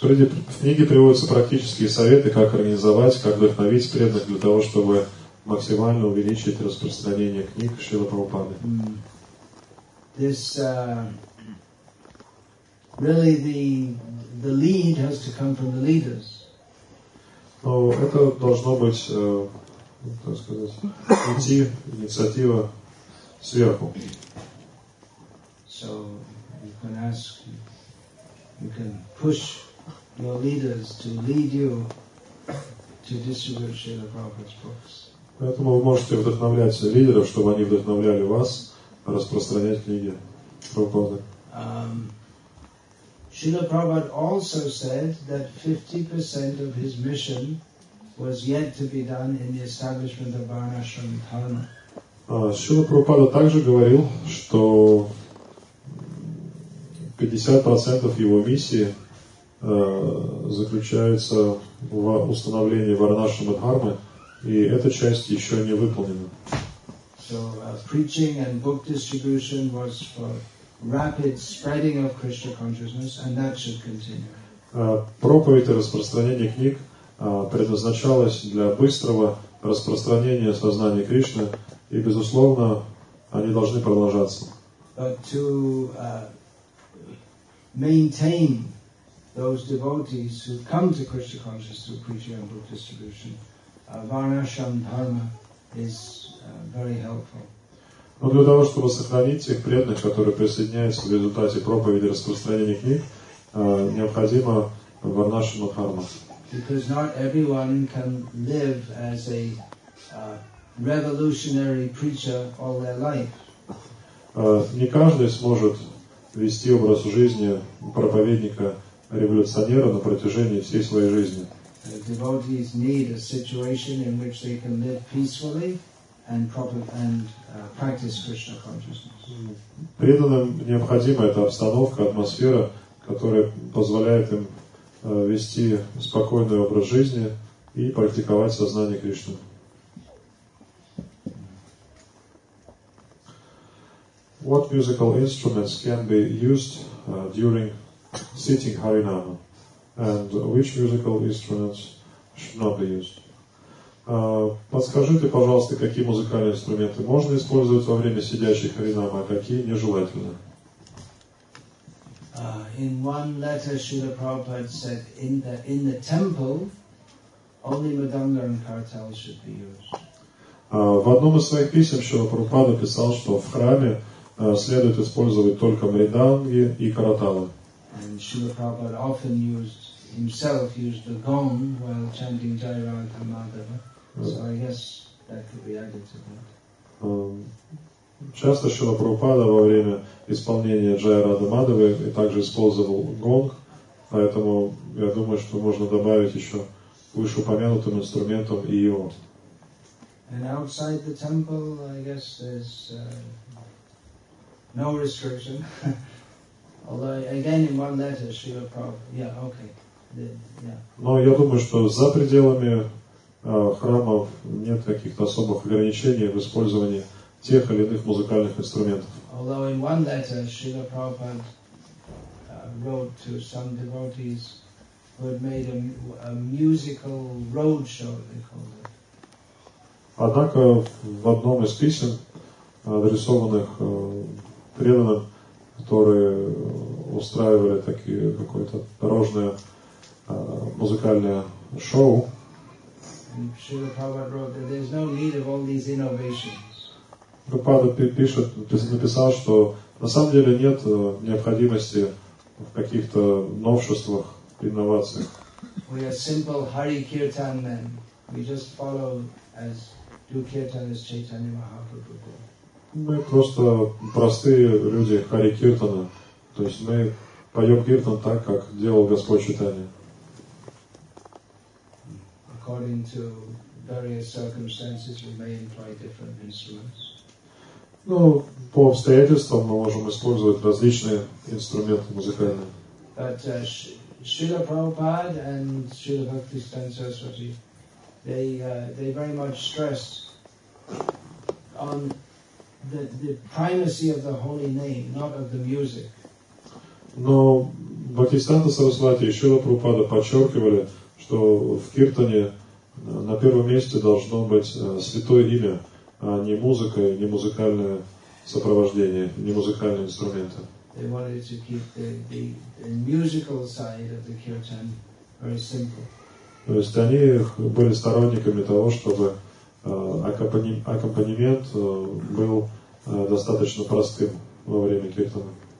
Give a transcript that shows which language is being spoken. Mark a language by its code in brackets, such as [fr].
[ru] В книге приводятся практические советы, как организовать, как вдохновить преданных для того, чтобы максимально увеличить распространение книг Шрилы Прабхупады. [en] This really the lead has to come from the leaders. [ru] Но это должно быть, так сказать, идти инициатива сверху. [en] So you can ask, you can push your leaders to lead you to distribute Srila Prabhupada's books. [ru] Поэтому вы можете вдохновлять лидеров, чтобы они вдохновляли вас распространять книги Прабхупады. [en] Шрила Прабхупада also said that 50% of his mission was yet to be done in the establishment of Varnashram Dharma. [ru] Шрила Прабхупада также говорил, что 50% его миссии заключается в установлении Варнашрама Дхармы. И эта часть еще не выполнена. [en] So, preaching and book distribution was for rapid spreading of Krishna consciousness, and that should continue. [ru] Проповедь и распространение книг предназначалось для быстрого распространения сознания Кришны, и, безусловно, они должны продолжаться. [en] But to maintain those devotees who come to Krishna consciousness through preaching and book distribution, Varnashram Dharma is very helpful. [ru] Но для того, чтобы сохранить тех преданных, которые присоединяются в результате проповеди и распространения книг, необходимо Варнашрама Дхарма. [en] Because not everyone can live as a revolutionary preacher all their life. [ru] Не каждый сможет вести образ жизни проповедника-революционера на протяжении всей своей жизни. [en] Devotees need a situation in which they can live peacefully and practice Krishna consciousness. [ru] Преданным необходима эта обстановка, атмосфера, которая позволяет им вести спокойный образ жизни и практиковать сознание Кришны. [en] What musical instruments can be used during sitting Harinama? And which musical instruments should not be used? [ru] Подскажите, пожалуйста, какие музыкальные инструменты можно использовать во время сидящих харинама, а какие нежелательно? [en] In one letter, Srila Prabhupada said, in the temple, only mridanga and kartal should be used. [ru] В одном из своих писем Шрила Прабхупада писал, что в храме следует использовать только мриданги и караталы. [en] And Srila Prabhupada often used himself used the gong while chanting Jai Radha Madhava. So I guess that could be added to that. [ru] Часто Шрила Прабхупада во время исполнения Джая Радха Мадхавы и также использовал гонг, поэтому я думаю, что можно добавить еще вышеупомянутым инструментом и его. [en] And outside the temple, I guess there's no restriction. Although again in one letter Srila Prabhupada, [ru] Но я думаю, что за пределами храмов нет каких-то особых ограничений в использовании тех или иных музыкальных инструментов. [en] Although in one letter, Srila Prabhupada wrote to some devotees who had made a musical road show, they called it. [ru] Однако в одном из писем, адресованных преданным, которые устраивали такие какое-то дорожное музыкальное шоу, [en] Srila Prabhupada wrote that there's no need of all these innovations. [ru] Прабхупада написал, что на самом деле нет необходимости в каких-то новшествах, инновациях. [en] We are simple Hari Kirtan men. We just follow as do Kirtan as Chaitanya Mahaprabhu. [ru] Мы просто простые люди Хари Киртана. То есть мы поем Киртан так, как делал Господь Чайтанья. [en] According to various circumstances, we may employ different instruments. [ru] Ну, по обстоятельствам мы можем использовать различные инструменты музыкальные. [en] But Srila Prabhupada and Srila Bhaktisiddhanta Saraswati, they very much stressed on the primacy of the holy name, not of the music. [ru] Но Бхактисиддханта Сарасвати и Шрила Прабхупада подчеркивали, что в киртане на первом месте должно быть святое имя, а не музыка, не музыкальное сопровождение, не музыкальные инструменты. [en] They wanted to keep the musical side of the kirtan very simple. [ru] То есть они были сторонниками того, чтобы аккомпанемент был достаточно простым во время киртана.